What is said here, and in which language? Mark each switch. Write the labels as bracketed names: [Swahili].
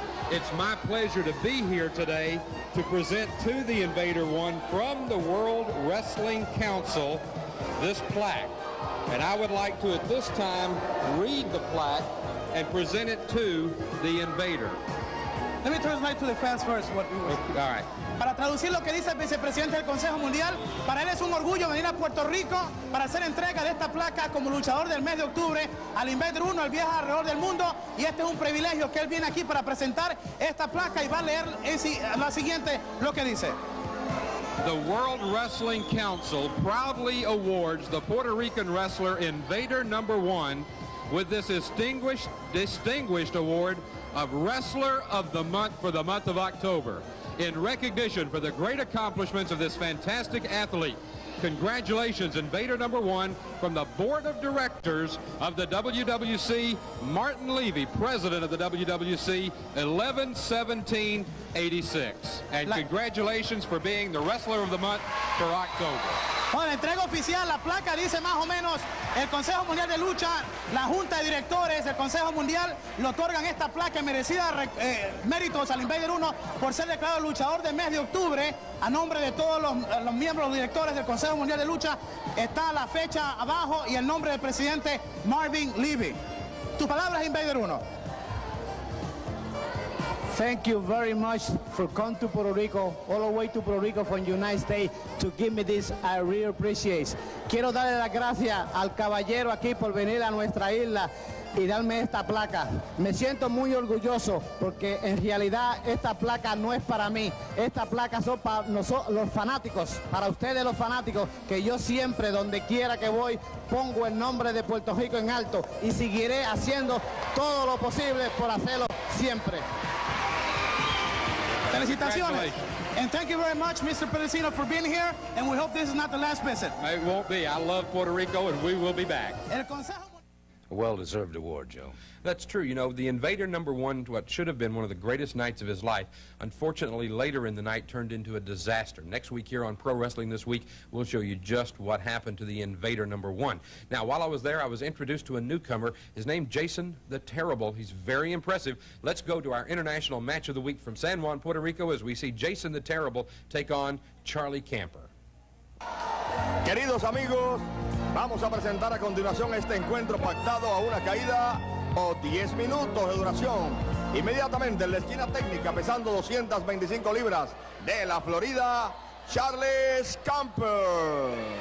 [English] It's my pleasure to be here today to present to the Invader One from the World Wrestling Council this plaque. And I would like to, at this time, read the plaque and present it to the Invader. Let me translate to the fans first what we were saying. All right. [Spanish] Para traducir lo que dice el vicepresidente del Consejo Mundial, para él es un orgullo venir a Puerto Rico para hacer entrega de esta placa como luchador del mes de octubre al Invader 1, el viaje alrededor del mundo, y este es un privilegio que él viene aquí para presentar esta placa y va a leer la siguiente lo que dice. [English] The World Wrestling Council proudly awards the Puerto Rican wrestler Invader Number One with this distinguished award of Wrestler of the Month for the month of October. In recognition for the great accomplishments of this fantastic athlete, congratulations, Invader Number One, from the Board of Directors of the WWC, Martin Levy, President of the WWC, 11-17-86. And congratulations for being the Wrestler of the Month for October. [Spanish] Bueno, la entrega oficial, la placa dice más o menos, el Consejo Mundial de Lucha, la Junta de Directores del Consejo Mundial le otorgan esta placa merecida méritos al Invader 1 por ser declarado luchador del mes de octubre a nombre de todos los miembros directores del Consejo Mundial de Lucha. Está la fecha abajo y el nombre del presidente Marvin Levy. Tus palabras, Invader 1. [English] Thank you very much for coming to Puerto Rico, all the way to Puerto Rico from the United States to give me this. I really appreciate. [Spanish] Quiero darle las gracias al caballero aquí por venir a nuestra isla y darme esta placa. Me siento muy orgulloso porque en realidad esta placa no es para mí. Esta placa son para nosotros, los fanáticos, para ustedes los fanáticos, que yo siempre, donde quiera que voy, pongo el nombre de Puerto Rico en alto y seguiré haciendo todo lo posible por hacerlo siempre. Felicitaciones. [English] And thank you very much, Mr. Pedicino, for being here, and we hope this is not the last visit. It won't be. I love Puerto Rico, and we will be back. A well-deserved award, Joe. That's true. You know, the Invader Number One, what should have been one of the greatest nights of his life, unfortunately later in the night turned into a disaster. Next week here on Pro Wrestling This Week, we'll show you just what happened to the Invader Number One. Now, while I was there, I was introduced to a newcomer. His name, Jason the Terrible. He's very impressive. Let's go to our international match of the week from San Juan, Puerto Rico, as we see Jason the Terrible take on Charlie Camper. [Spanish] Queridos amigos, vamos a presentar a continuación este encuentro pactado a una caída o 10 minutos de duración. Inmediatamente en la esquina técnica, pesando 225 libras de la Florida, Charles Camper.